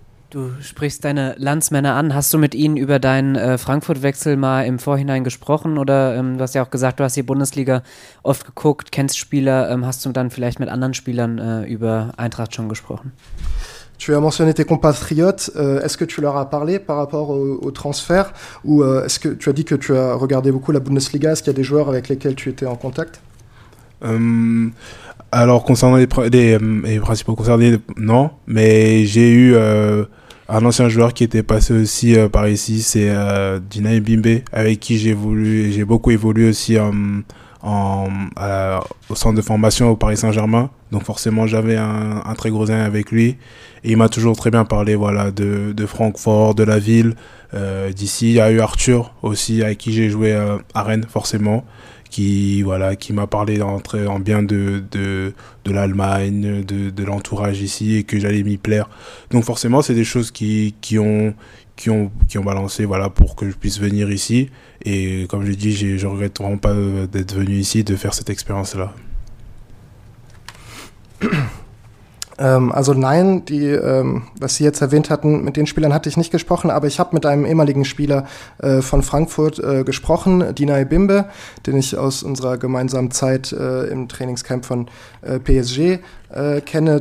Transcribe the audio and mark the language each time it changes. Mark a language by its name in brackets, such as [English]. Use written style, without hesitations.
[German] Du sprichst deine Landsmänner an. Hast du mit ihnen über deinen Frankfurt-Wechsel mal im Vorhinein gesprochen? Oder du hast ja auch gesagt, du hast die Bundesliga oft geguckt, kennst Spieler. Hast du dann vielleicht mit anderen Spielern über Eintracht schon gesprochen? [French] Tu as mentionné tes compatriotes. Est-ce que tu leur as parlé par rapport au transfert? Ou est-ce que tu as dit que tu as regardé beaucoup la Bundesliga? Est-ce qu'il y a des joueurs avec lesquels tu étais en contact? Alors concernant les principaux concernés, non, mais j'ai eu un ancien joueur qui était passé aussi par ici, c'est Dina Mbimbe, avec qui j'ai beaucoup évolué aussi au centre de formation au Paris Saint-Germain, donc forcément j'avais un très gros lien avec lui, et il m'a toujours très bien parlé voilà, de Francfort, de la ville, d'ici. Il y a eu Arthur aussi, avec qui j'ai joué à Rennes forcément, qui m'a parlé en bien de l'Allemagne, de l'entourage ici, et que j'allais m'y plaire. Donc forcément, c'est des choses qui ont balancé voilà, pour que je puisse venir ici. Et comme je dis, je ne regrette vraiment pas d'être venu ici, de faire cette expérience-là. [German] Also nein, was Sie jetzt erwähnt hatten, mit den Spielern hatte ich nicht gesprochen, aber ich habe mit einem ehemaligen Spieler von Frankfurt gesprochen, Dina Mbimbe, den ich aus unserer gemeinsamen Zeit im Trainingscamp von PSG kenne.